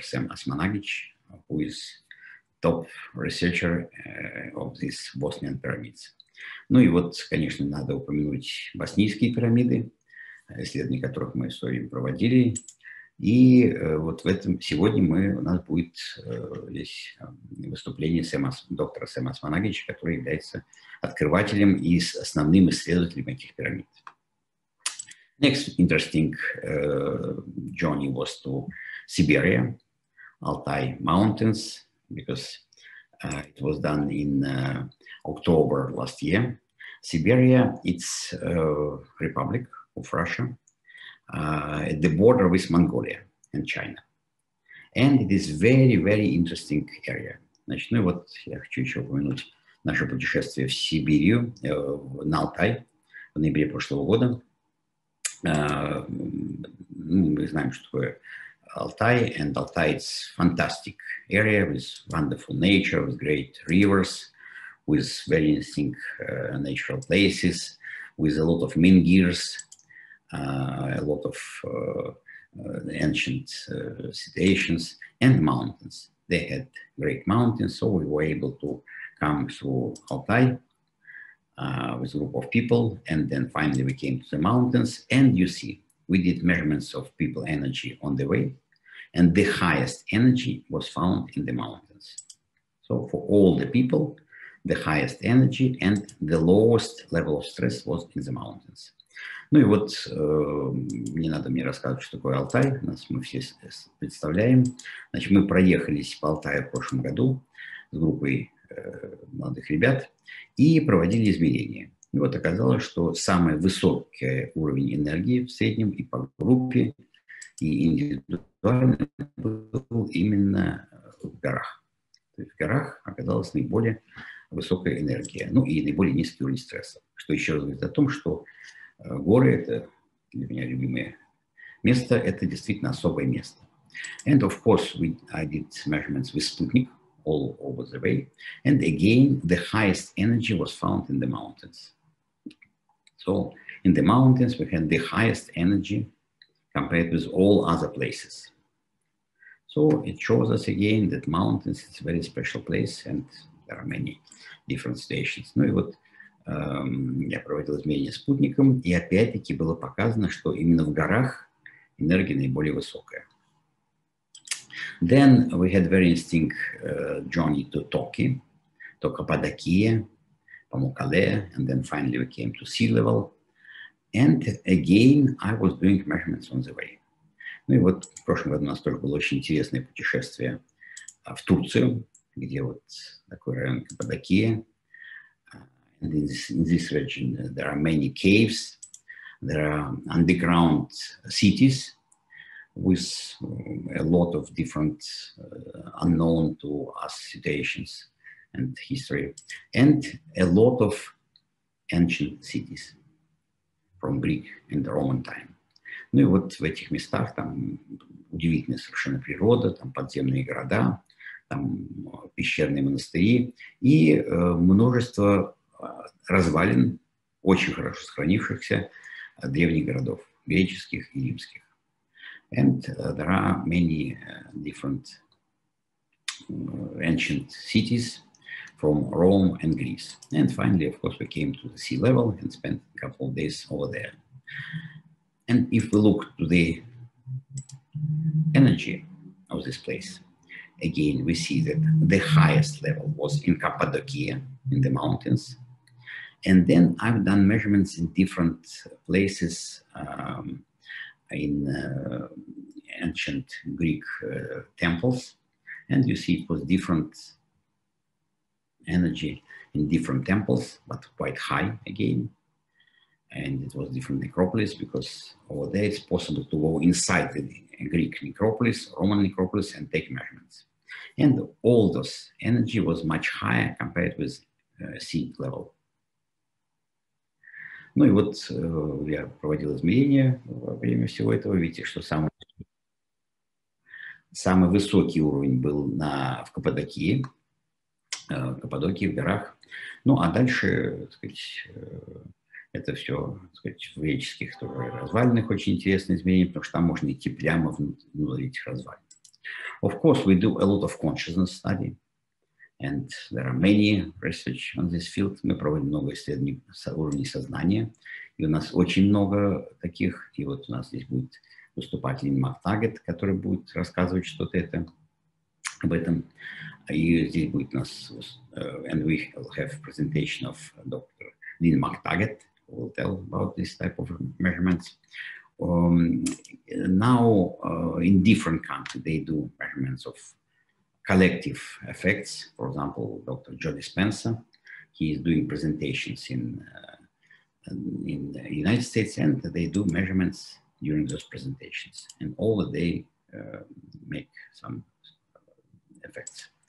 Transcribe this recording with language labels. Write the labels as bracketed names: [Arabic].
[English] Sam Asmanagic, who is top researcher of these Bosnian pyramids. [Russian] Ну и вот, конечно, надо упомянуть боснийские пирамиды, исследования которых мы в свое время проводили. И вот в этом сегодня мы, у нас будет здесь выступление доктора Сэма Османагича, который является открывателем и основным исследователем этих пирамид. [English] Next interesting journey was to Siberia, Altai Mountains, because it was done in October last year. Siberia, it's Republic of Russia, at the border with Mongolia and China. And it is very, very interesting area. [Russian] Значит, ну вот я хочу еще упомянуть наше путешествие в Сибирь, на Алтай, в ноябре прошлого года. Мы знаем, что такое Алтай, [English] and Altai is fantastic area with wonderful nature, with great rivers, with very interesting natural places, with a lot of menhirs, a lot of ancient situations and mountains. They had great mountains, so we were able to come through Altai with a group of people, and then finally we came to the mountains, and you see, we did measurements of people energy on the way, and the highest energy was found in the mountains. So for all the people, the highest energy and the lowest level of stress was in the mountains. [Russian] Ну и вот, не надо мне рассказывать, что такое Алтай, нас мы все представляем. Значит, мы проехались по Алтаю в прошлом году с группой молодых ребят и проводили измерения. И вот оказалось, что самый высокий уровень энергии в среднем и по группе, и индивидуально был именно в горах. То есть в горах оказалась наиболее высокая энергия, ну и наиболее низкий уровень стресса. Что еще раз говорит о том, что горы, это для меня любимое место, это действительно особое место. [English] And of course, I did measurements with Sputnik all over the way. And again, the highest energy was found in the mountains. So, in the mountains, we had the highest energy compared with all other places. So, it shows us again that mountains is a very special place and there are many different stations. [Russian] Ну и вот, я проводил измерения спутником, и опять-таки было показано, что именно в горах энергия наиболее высокая. [English] Then we had very interesting journey to Toki, to Каппадокия, Памуккале, and then finally we came to sea level. And again, I was doing measurements on the way. [Russian] Ну и вот в прошлом году у нас тоже было очень интересное путешествие в Турцию, где вот такой район Каппадокия. [English] And in this region, there are many caves, there are underground cities with a lot of different unknown to us situations and history, and a lot of ancient cities from Greek and Roman time. [Russian] Ну и вот в этих местах там удивительная совершенно природа, там подземные города, там пещерные монастыри и множество развалин, очень хорошо сохранившихся древних городов, греческих и римских. [English] And there are many different ancient cities from Rome and Greece. And finally, of course, we came to the sea level and spent a couple of days over there. And if we look to the energy of this place, again, we see that the highest level was in Cappadocia, in the mountains. And then I've done measurements in different places in ancient Greek temples. And you see it was different energy in different temples, but quite high again. And it was different necropolis because over there it's possible to go inside the Greek necropolis, Roman necropolis and take measurements. And all those energy was much higher compared with sea level. [Russian] Ну и вот я проводил измерения во время всего этого. Видите, что самый высокий уровень был в Каппадокии, в Каппадокии, в горах. Ну а дальше, так сказать, это все, так сказать, в греческих тоже развалинах очень интересные измерения, потому что там можно идти прямо внутрь этих развалин. [English] Of course, we do a lot of consciousness study. And there are many research on this field. [Russian] Мы проводим много исследований уровней сознания. И у нас очень много таких. И вот у нас здесь будет выступать Мактагет, который будет рассказывать что-то это об этом. И здесь будет у нас [English] and we have presentation of Dr. Lynn Mactaggart, who will tell about this type of measurements. Now, in different countries, they do measurements of collective effects. For example, Dr. Joe Dispenza, he is doing presentations in the United States, and they do measurements during those presentations, and all the day make some effects.